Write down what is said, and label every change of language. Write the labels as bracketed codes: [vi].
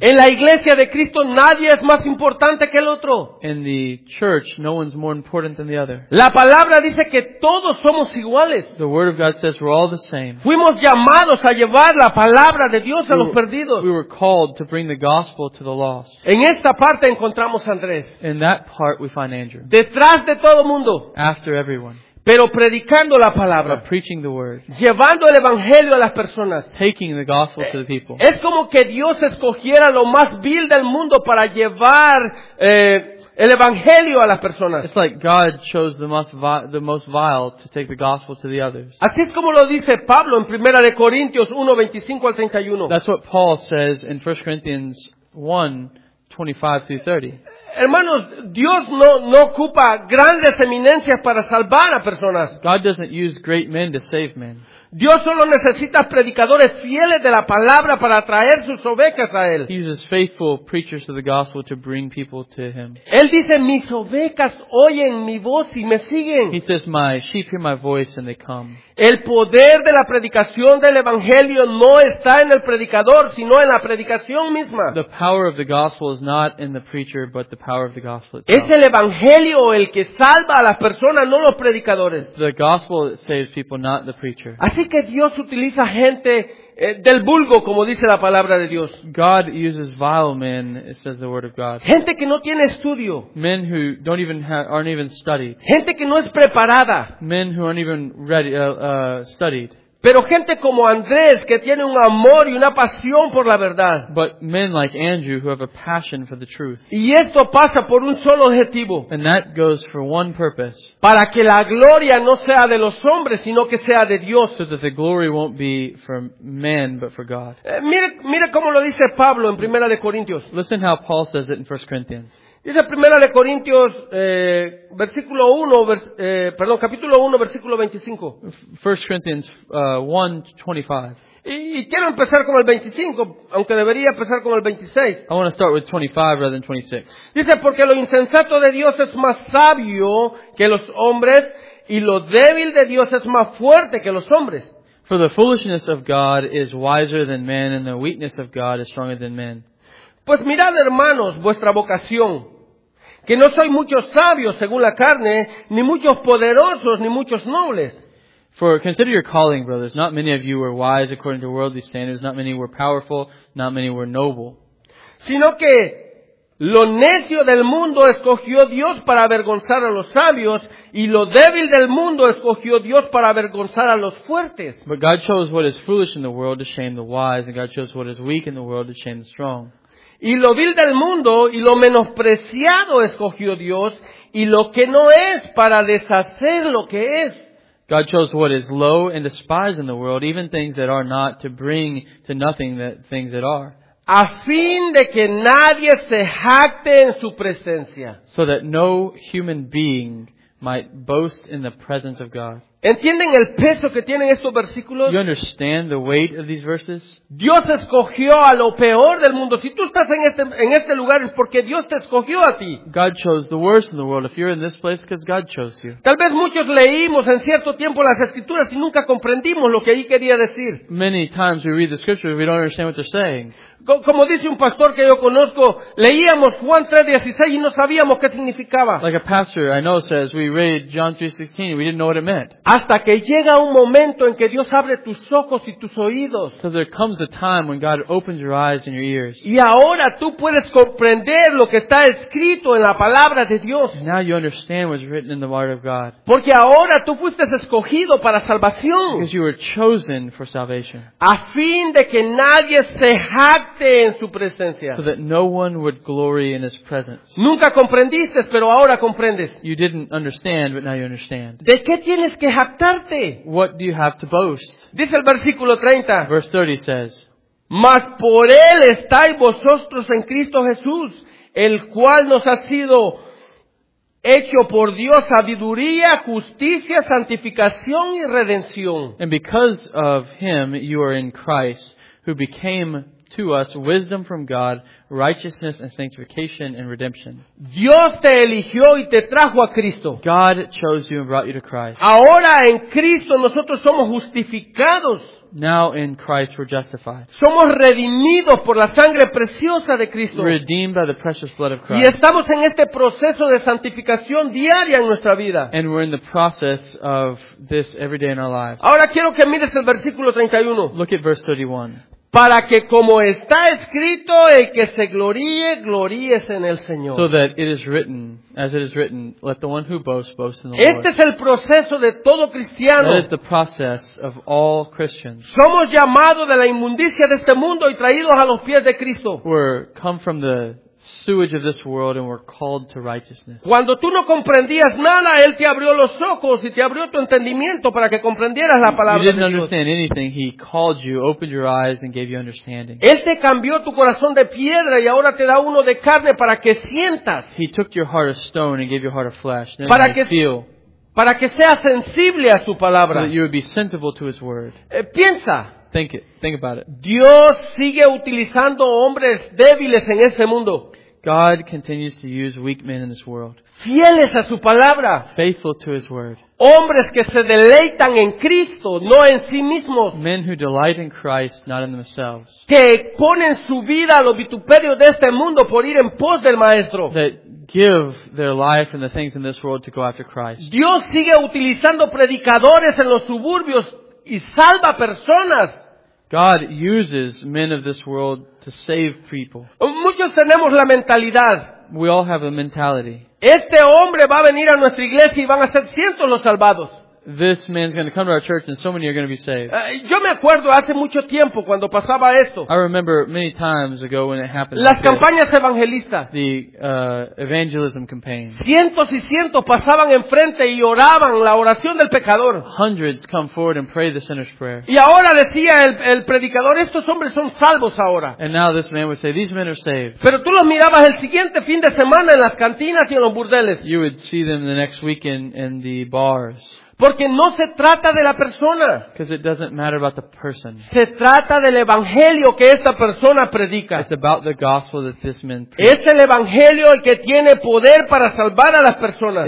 [es] En la iglesia de Cristo nadie es más importante que el otro. [en] In the church, no one's more important than the other. [es] La palabra dice que todos somos iguales. [en] The word of God says we're all the same. [es] Fuimos llamados a llevar la palabra de Dios a los perdidos. [en] We were called to bring the gospel to the lost. [es] En esta parte encontramos a Andrés. [en] In that part we find Andrew. [es] Detrás de todo mundo. [en] After everyone. [es] Pero predicando la palabra, [en] preaching the word, [es] llevando el evangelio a las personas, [en] taking the gospel to the people. [es] Es como que Dios escogiera lo más vil del mundo para llevar el evangelio a las personas. [en] It's like God chose the most vile to take the gospel to the others. [es] Así es como lo dice Pablo en 1 Corintios 1:25 al 31. [en] That's what Paul says in 1 Corinthians 1:25-30. [es] Hermanos, Dios no ocupa grandes eminencias para salvar a personas. [en] God doesn't use great men to save men. [es] Dios solo necesita predicadores fieles de la palabra para atraer sus ovejas a él. [en] He uses faithful preachers of the gospel to bring people to him. [es] Él dice, mis ovejas oyen mi voz y me siguen. [en] He says, my sheep hear my voice and they come. [es] El poder de la predicación del evangelio no está en el predicador, sino en la predicación misma. [en] The power of the gospel is not in the preacher, but the power of the gospel itself. [es] Es el evangelio el que salva a las personas, no los predicadores. [en] The gospel saves people, not the preacher. [es] Así que Dios utiliza gente del vulgo, como dice la palabra de Dios. [en] God uses vile men, it says the word of God. [es] Gente que no tiene estudio. [en] Men who don't even aren't even studied. [es] Gente que no es preparada. [en] Men who aren't even ready, studied. [es] Pero gente como Andrés, que tiene un amor y una pasión por la verdad. [en] But men like Andrew, who have a passion for the truth. [es] Y esto pasa por un solo objetivo. [en] And that goes for one purpose. [es] Para que la gloria no sea de los hombres, sino que sea de Dios. [en] So that the glory won't be for men, but for God. [es] Mira cómo lo dice Pablo en 1 Corintios. [en] Listen how Paul says it in 1 Corinthians. [es] Dice 1 Corintios, versículo 1, capítulo 1, versículo 25. [en] 1 Corinthians 1:25. [es] Y quiero empezar con el 25, aunque debería empezar con el 26. [en] I want to start with 25 rather than 26. [es] Dice, porque lo insensato de Dios es más sabio que los hombres, y lo débil de Dios es más fuerte que los hombres. [en] For the foolishness of God is wiser than men, and the weakness of God is stronger than men. [es] Pues mirad, hermanos, vuestra vocación, que no sois muchos sabios según la carne, ni muchos poderosos, ni muchos nobles. [en] For consider your calling, brothers. Not many of you were wise according to worldly standards. Not many were powerful. Not many were noble. [es] Sino que lo necio del mundo escogió Dios para avergonzar a los sabios, y lo débil del mundo escogió Dios para avergonzar a los fuertes. [en] But God chose what is foolish in the world to shame the wise, and God chose what is weak in the world to shame the strong. [es] Y lo vil del mundo y lo menospreciado escogió Dios, y lo que no es para deshacer lo que es. [en] God chose what is low and despised in the world, even things that are not, to bring to nothing the things that are. [es] A fin de que nadie se jacte en su presencia. [en] So that no human being might boast in the presence of God. [es] ¿Entienden el peso que tienen estos versículos? [en] You understand the weight of these verses? [es] Dios escogió a lo peor del mundo. Si tú estás en este lugar es porque Dios te escogió a ti. [en] God chose the worst in the world. If you're in this place, because God chose you. [es] Tal vez muchos leímos en cierto tiempo las escrituras y nunca comprendimos lo que allí quería decir. [en] Many times we read the scriptures, we don't understand what they're saying. [es] Como dice un pastor que yo conozco, leíamos Juan 3:16 y no sabíamos qué significaba. [en] Like a pastor I know says, we read John 3:16 and we didn't know what it meant. [es] Hasta que llega un momento en que Dios abre tus ojos y tus oídos. [en] Because there comes a time when God opens your eyes and your ears. [es] Y ahora tú puedes comprender lo que está escrito en la palabra de Dios. [en] And now you understand what's written in the word of God. [es] Porque ahora tú fuiste escogido para salvación. [en] Because you were chosen for salvation. [es] A fin de que nadie se jacte en su presencia. [en] So that no one would glory in his presence. [es] Nunca comprendiste, pero ahora comprendes. [en] You didn't understand, but now you understand. [es] ¿De qué tienes que jactarte? [en] What do you have to boast? [es] Dice el versículo 30. [en] Verse 30 says, [es] mas por él estáis vosotros en Cristo Jesús, el cual nos ha sido hecho por Dios sabiduría, justicia, santificación y redención. [en] And because of him you are in Christ, who became to us wisdom from God, righteousness and sanctification and redemption. [es] Dios te eligió y te trajo a Cristo. [en] God chose you and brought you to Christ. [es] Ahora en Cristo nosotros somos justificados. [en] Now in Christ we're justified. [es] Somos redimidos por la sangre preciosa de Cristo. [en] Redeemed by the precious blood of Christ. [es] Y estamos en este proceso de santificación diaria en nuestra vida. [en] And we're in the process of this every day in our lives. [es] Ahora quiero que mires el versículo 31. [en] Look at verse 31. [es] Para que como está escrito, el que se gloríe, gloríese en el Señor. [en] So that it is written, as it is written, let the one who boasts, boast in the Lord. [es] Este es el proceso de todo cristiano. [en] That is the process of all Christians. [es] Somos llamados de la inmundicia de este mundo y traídos a los pies de Cristo. [en] We're come from the sewage of this world and were called to righteousness. [es] Cuando tú no comprendías nada, él te abrió los ojos y te abrió tu entendimiento para que comprendieras la palabra de Dios. [en] You didn't understand anything. He called you, opened your eyes and gave you understanding. [es] Él te cambió tu corazón de piedra y ahora te da uno de carne para que sientas. [en] He took your heart of stone and gave you a heart of flesh. Then [es] para que [en] feel. [es] Para que seas sensible a su palabra. [en] So that you would be sensible to his word. [es] Piensa. [en] Think it. Think about it. [es] Dios sigue utilizando hombres débiles en este mundo. [en] God continues to use weak men in this world. [es] Fieles a su palabra. [en] Faithful to his word. [es] Hombres que se deleitan en Cristo, no en sí mismos. [en] Men who delight in Christ, not in themselves. [es] Que ponen su vida a los vituperios de este mundo por ir en pos del Maestro. [en] That give their life and the things in this world to go after Christ. [es] Dios sigue utilizando predicadores en los suburbios y salva personas. [en] God uses men of this world to save people. [es] Muchos tenemos la mentalidad. [en] We all have a mentality. [es] Este hombre va a venir a nuestra iglesia y van a ser cientos los salvados. [en] This man's going to come to our church and so many are going to be saved. [es] Yo me acuerdo hace mucho tiempo cuando pasaba esto. [en] I remember many times ago when it happened. [es] Las campañas evangelistas. [en] The evangelism campaign. [es] Cientos y cientos pasaban enfrente y oraban la oración del pecador. [en] Hundreds come forward and pray the sinner's prayer. [es] Y ahora decía el predicador, estos hombres son salvos ahora. [en] And now this man would say, these men are saved. [es] Pero tú los mirabas el siguiente fin de semana en las cantinas y en los burdeles. [en] You would see them the next weekend in the bars. [es] Porque no se trata de la persona. [en] Because it doesn't matter about the person. [es] Se trata del evangelio que esta persona predica. [en] It's about the gospel that this man preached. [es] Es el evangelio el que tiene poder para salvar a las personas.